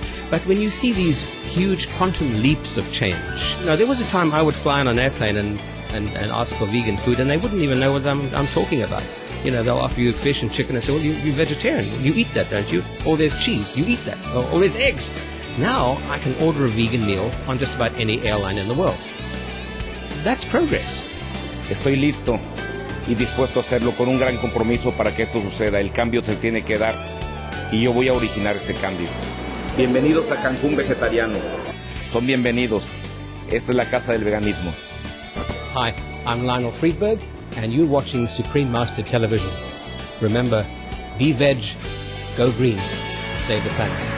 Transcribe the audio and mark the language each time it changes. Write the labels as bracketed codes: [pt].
[en] But when you see these huge quantum leaps of change, you know, there was a time I would fly on an airplane and ask for vegan food, and they wouldn't even know what I'm talking about. You know, they'll offer you fish and chicken and say, well, you're vegetarian. You eat that, don't you? Or there's cheese. You eat that. Or there's eggs. Now I can order a vegan meal on just about any airline in the world. That's progress. [es] Estoy listo y dispuesto a hacerlo con un gran compromiso para que esto suceda. El cambio se tiene que dar y yo voy a originar ese cambio. Bienvenidos a Cancún Vegetariano. Son bienvenidos. Esta es la casa del veganismo. [en] Hi, I'm Lionel Friedberg. And you're watching Supreme Master Television. Remember, be veg, go green to save the planet.